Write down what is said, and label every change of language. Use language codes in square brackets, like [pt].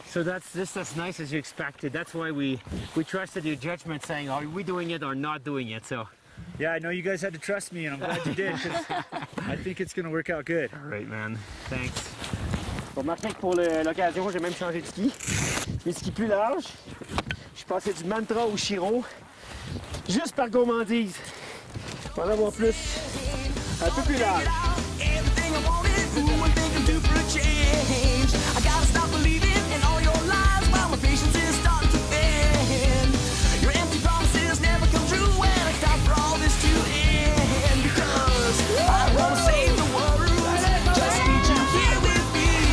[en] So that's just as nice as you expected. That's why we trusted your judgment, saying, are we doing it or not doing it? So. Yeah, I know you guys had to trust me, and I'm glad you did, because I think it's going to work out good. All right, man. Thanks. [fr] Bon, Martin, pour l'occasion, j'ai même changé de ski. Mes skis plus larges. Je suis passé du Mantra au Chiron, juste par gourmandise. Pour en avoir plus. A tout plus large. [en] Everything I wanted, who would think I'd do for a change? I gotta stop believing in all your lies while my patience is starting to thin. Your empty promises never come true when I stop for all this to end. Because I wanna save the world, just need you here with me.